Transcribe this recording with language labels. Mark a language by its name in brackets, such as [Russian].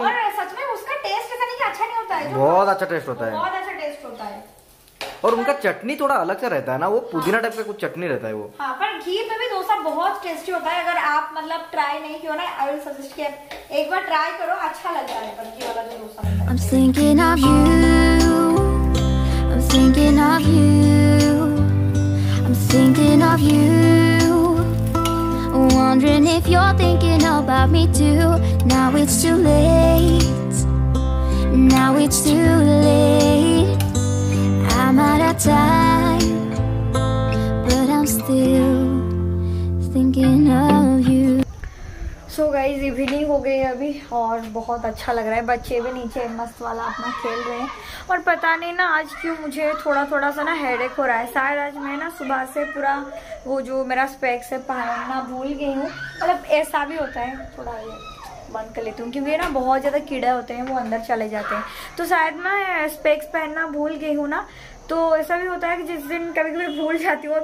[Hindi] और सच में उसका टेस्ट ऐसा नहीं अच्छा नहीं होता है, बहुत अच्छा टेस्ट होता है, बहुत अच्छा टेस्ट होता है। और उनका चटनी थोड़ा अलग सा रहता है ना, वो पुदीना टाइप का कुछ चटनी रहता है वो। हाँ, पर घी पे भी डोसा बहुत टेस्टी होता है, अगर आप मतलब ट्राई नहीं किया ना, [English] I will suggest [Hindi] कि एक बार ट्राई करो, अच्छा लग जाए पर घी वाला जो dosa. [English] I'm thinking of you, I'm thinking of you, I'm thinking of you, wondering if you're thinking about me too. Now it's too late, now it's too late, I'm out of time, but I'm still thinking of you. [Hindi] So guys evening हो गई है अभी और बहुत अच्छा लग रहा है, बच्चे भी नीचे मस्त वाला अपना खेल रहे हैं। और पता नहीं ना आज क्यों मुझे थोड़ा थोड़ा सा ना हेडेक हो रहा है, शायद आज मैं ना सुबह से पूरा वो जो मेरा स्पेक्स है पहनना भूल गई हूँ। मतलब ऐसा भी होता है, थोड़ा ये बंद कर लेती हूँ क्योंकि ना बहुत ज़्यादा कीड़े होते हैं वो अंदर चले जाते हैं, तो शायद मैं स्पेक्स पहनना भूल गई हूँ ना, तो ऐसा भी होता है कि जिस दिन कभी कभी भूल जाती हूँ।